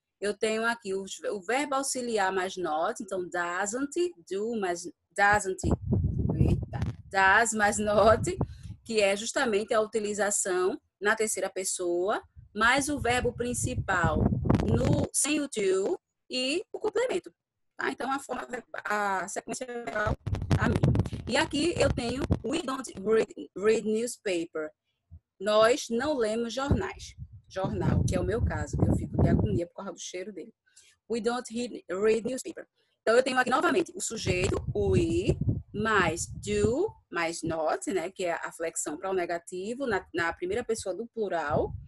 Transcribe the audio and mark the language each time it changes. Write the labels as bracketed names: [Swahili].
[Portuguese] Eu tenho aqui o verbo auxiliar mais not. Então, doesn't, do, mais doesn't. Eita. Does mais not, que é justamente a utilização na terceira pessoa, mais o verbo principal no, sem o to. E o complemento, tá? Então, a forma, a sequência verbal, a mim. E aqui eu tenho, [English] we don't read newspaper. [Portuguese] Nós não lemos jornais. Jornal, que é o meu caso, que eu fico de agonia por causa do cheiro dele. [English] We don't read newspaper. [Portuguese] Então, eu tenho aqui, novamente, o sujeito, we, mais do, mais not, né? Que é a flexão para o negativo, na primeira pessoa do plural.